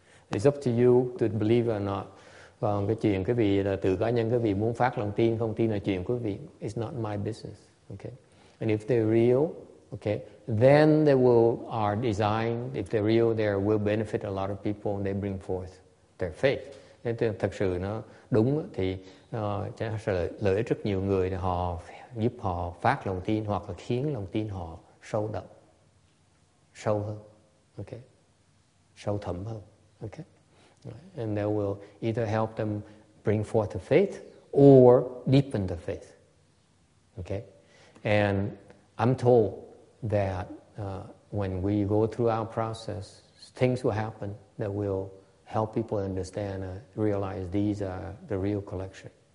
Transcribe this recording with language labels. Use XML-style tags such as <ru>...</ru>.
<en>It's up to you to believe or not.</en> <vi>Còn cái chuyện quý vị là tự cá nhân quý vị muốn phát lòng tin, không tin là chuyện quý vị.</vi> <en>It's not my business. Okay? And if they're real, okay, then they will are designed. If they're real, they will benefit a lot of people, and they bring forth their faith.</en> <vi>Nếu thật sự nó đúng thì sẽ lợi ích rất nhiều người, họ giúp họ phát lòng tin hoặc là khiến lòng tin họ sâu đậm, sâu hơn, okay, sâu thẳm hơn, okay.</vi> <en>And that will either help them bring forth the faith or deepen the faith, okay. And I'm told that when we go through our process, things will happen that will help people understand, realize these are the real collection.</en>